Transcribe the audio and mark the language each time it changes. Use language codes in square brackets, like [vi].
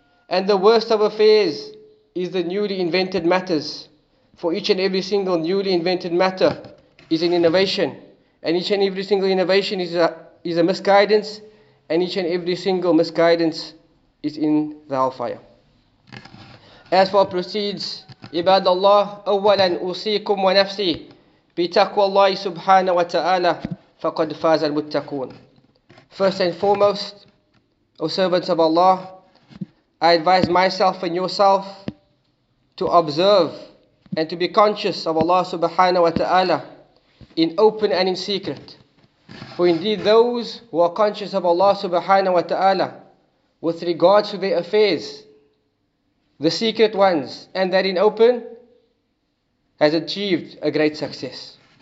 [en] And the worst of affairs is the newly invented matters. For each and every single newly invented matter is an innovation. And each and every single innovation is a misguidance. And each and every single misguidance is in the hellfire. As for proceeds, [ar] عباد الله أولا أوصيكم ونفسي بتقوى الله سبحانه وتعالى فقد فاز المتقون. [en] First and foremost, O servants of Allah, I advise myself and yourself to observe and to be conscious of Allah subhanahu wa ta'ala in open and in secret. For indeed those who are conscious of Allah subhanahu wa ta'ala with regards to their affairs, the secret ones, and that in open, has achieved a great success.